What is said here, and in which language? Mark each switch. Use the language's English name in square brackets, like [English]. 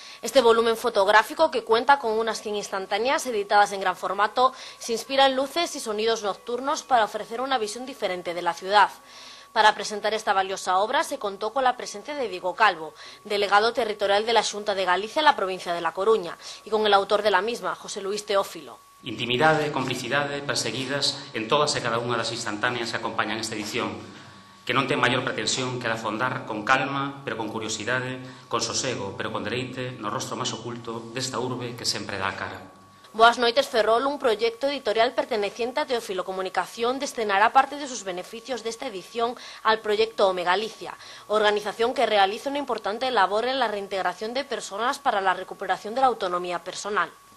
[Spanish] Este volumen fotográfico, que cuenta con unas 100 instantáneas editadas en gran formato, se inspira en luces y sonidos nocturnos para ofrecer una visión diferente de la ciudad. Para presentar esta valiosa obra se contó con la presencia de Diego Calvo, delegado territorial de la Xunta de Galicia en la provincia de La Coruña, y con el autor de la misma, José Luis Teófilo. [Galician] Intimidade, complicidade, perseguidas, en todas e cada unha das instantáneas que acompañan esta edición, que non ten maior pretensión que afondar con calma, pero con curiosidade, con sosego, pero con deleite, no rostro máis oculto desta urbe que sempre dá a cara. [Spanish] Boas Noites Ferrol, un proyecto editorial perteneciente a Teófilo Comunicación, destinará parte de sus beneficios de esta edición al proyecto Home Galicia, organización que realiza una importante labor en la reintegración de personas para la recuperación de la autonomía personal.